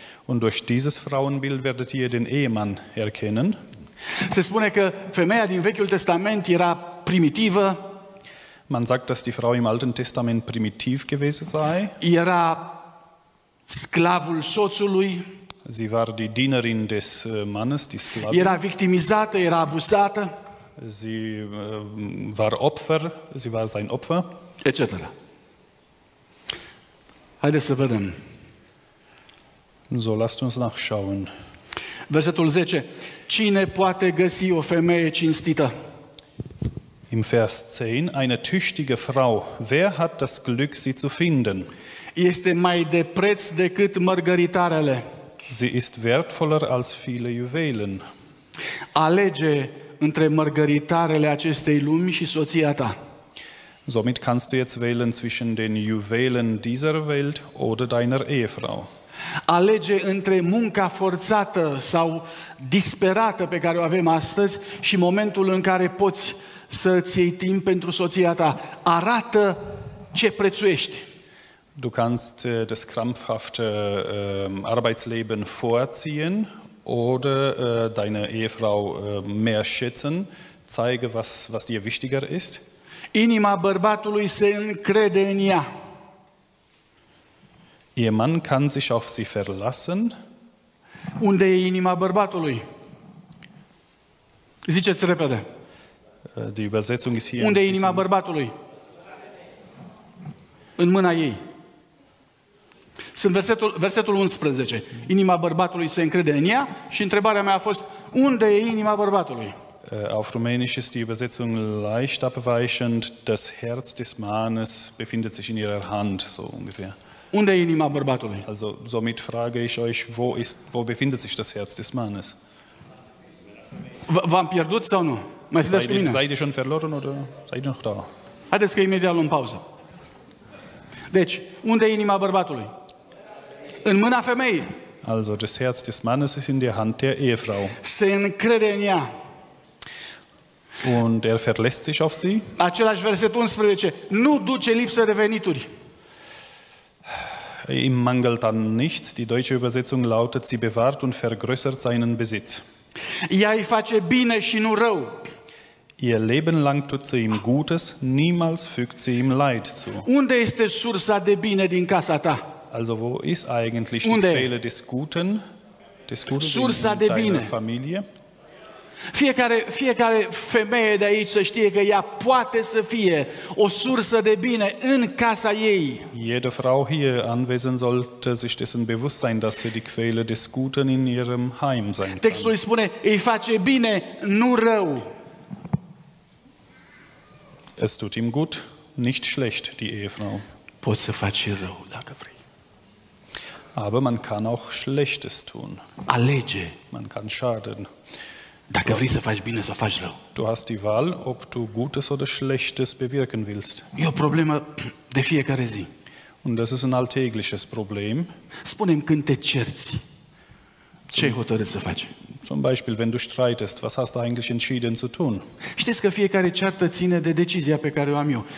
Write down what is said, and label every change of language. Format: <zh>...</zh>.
<de>Und durch dieses Frauenbild werdet ihr den Ehemann erkennen.</de> <ro>Se spune că femeia din Vechiul Testament era primitivă.</ro> <de>Man sagt, dass die Frau im Alten Testament primitiv gewesen sei.</de> <ro>Era sclavul soțului.</ro> <de>Sie war die Dienerin des Mannes, die Sklavin.</de> <ro>Era victimizată, era abuzată.</ro> <de>Sie war Opfer, sie war sein Opfer.</de> <ro>Etc. Haideți să vedem.</ro> <de>So, lasst uns nachschauen.</de> <ro>Versetul 10. Cine poate găsi o femeie cinstită?</ro> <de>Im Vers 10, eine tüchtige Frau. Wer hat das Glück, sie zu finden?</de> <ro>Este mai de preț decât mărgăritarele.</ro> <de>Sie ist wertvoller als viele Juwelen.</de> <ro>Alege între mărgăritarele acestei lumi și soția ta.</ro> <de>Somit kannst du jetzt wählen zwischen den Juwelen dieser Welt oder deiner Ehefrau.</de> <ro>Alege între munca forțată sau disperată pe care o avem astăzi și momentul în care poți să îți iei timp pentru soția ta. Arată ce prețuiești.</ro> <de>Du kannst das krampfhafte Arbeitsleben vorziehen oder deine Ehefrau mehr schätzen, zeige, was dir wichtiger ist.</de> <ro>Inima bărbatului se încrede în ea.</ro> <de>Ihr Mann kann sich auf sie verlassen.</de> <ro>Unde e inima bărbatului? Ziceți repede.</ro> <de>Die Übersetzung ist hier.</de> <ro>Unde e inima bărbatului? În mâna ei. Sunt versetul 11. Inima bărbatului se încrede în ea și întrebarea mea a fost, unde e inima bărbatului?</ro> <de>Auf rumänisch ist die Übersetzung leicht abweichend, das Herz des Mannes befindet sich in ihrer Hand, so ungefähr.</de> <ro>Unde e inima bărbatului?</ro> <de>Also, somit frage ich euch, wo befindet sich das Herz des Mannes?</de> <ro>V-am pierdut sau nu? Mai sunteți cu mine?</ro> <de>Seid ihr schon verloren oder seid ihr noch da?</de> <ro>Haideți că imediat luăm pauză. Deci, unde e inima bărbatului? În mâna femeii.</ro> <de>Also, das Herz des Mannes ist in der Hand der Ehefrau.</de> <ro>Se încrede în ea.</ro> <de>Und er verlässt sich auf sie.</de> <ro>Același verset 11. Nu duce lipsă de venituri.</ro> <de>Ihm mangelt an nichts. Die deutsche Übersetzung lautet, sie bewahrt und vergrößert seinen Besitz.</de> <ro>Ea îi face bine și nu rău.</ro> <de>Ihr Leben lang tut sie ihm Gutes, niemals fügt sie ihm Leid zu.</de> <ro>Unde este sursa de bine din casa ta?</ro> <de>Also wo ist eigentlich die Quelle des Guten in deiner Familie?</de> <ro>Fiecare femeie de aici să știe că ea poate să fie o sursă de bine în casa ei.</ro> <de>Jede Frau hier anwesend sollte sich dessen bewusst sein, dass sie die Quelle des Guten in ihrem Heim sein kann.</de> <ro>Textul îi spune, îi face bine, nu rău.</ro> <de>Es tut ihm gut, nicht schlecht, die Ehefrau.</de> <ro>Poți să faci rău, dacă vrei.</ro> <de>Aber man kann auch Schlechtes tun.</de> <ro>Alege.</ro> <de>Man kann schaden.</de> <ro>Dacă vrei să faci bine sau faci rău.</ro> <de>Du hast die Wahl, ob du Gutes oder Schlechtes bewirken willst.</de> <ro>E o problemă de fiecare zi.</ro> <de>Und das ist ein alltägliches Problem.</de> <ro>Spune-mi când te cerți. Ce ai hotărât să faci?</ro> <de>Zum Beispiel, wenn du streitest, was hast du eigentlich entschieden zu tun?</de> <ro>Știți că fiecare ceartă ține de decizia pe care o am eu.</ro>